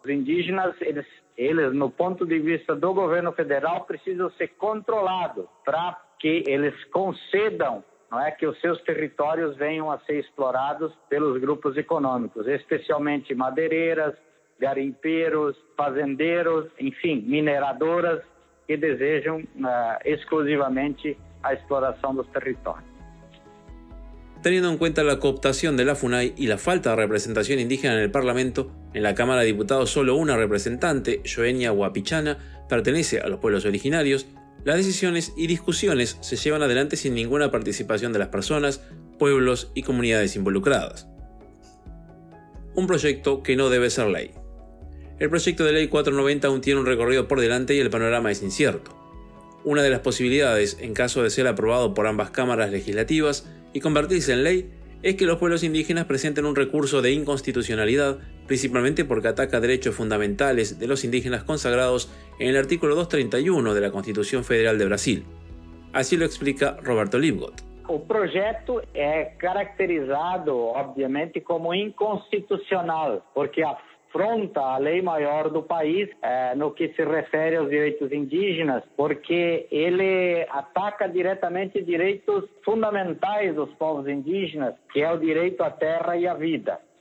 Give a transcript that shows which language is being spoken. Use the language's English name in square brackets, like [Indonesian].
[Portuguese] Os indígenas, eles no ponto de vista do governo federal, precisam ser controlados para que eles concedam, não é, que os seus territórios venham a ser explorados pelos grupos econômicos, especialmente madeireiras, garimpeiros, fazendeiros, enfim, mineradoras que desejam exclusivamente a exploração dos territórios. [Spanish] Teniendo en cuenta la cooptación de la FUNAI y la falta de representación indígena en el Parlamento, en la Cámara de Diputados solo una representante, Joenia Huapichana, pertenece a los pueblos originarios, las decisiones y discusiones se llevan adelante sin ninguna participación de las personas, pueblos y comunidades involucradas. Un proyecto que no debe ser ley. El proyecto de ley 490 aún tiene un recorrido por delante y el panorama es incierto. Una de las posibilidades, en caso de ser aprobado por ambas cámaras legislativas y convertirse en ley, es que los pueblos indígenas presenten un recurso de inconstitucionalidad, principalmente porque ataca derechos fundamentales de los indígenas consagrados en el artículo 231 de la Constitución Federal de Brasil. Así lo explica Roberto Lipgott. [Portuguese] O projeto é caracterizado, obviamente, como inconstitucional, porque afronta a lei maior do país no que se refere aos direitos indígenas, porque ele ataca diretamente direitos fundamentais dos povos indígenas, que é o direito à terra e à vida.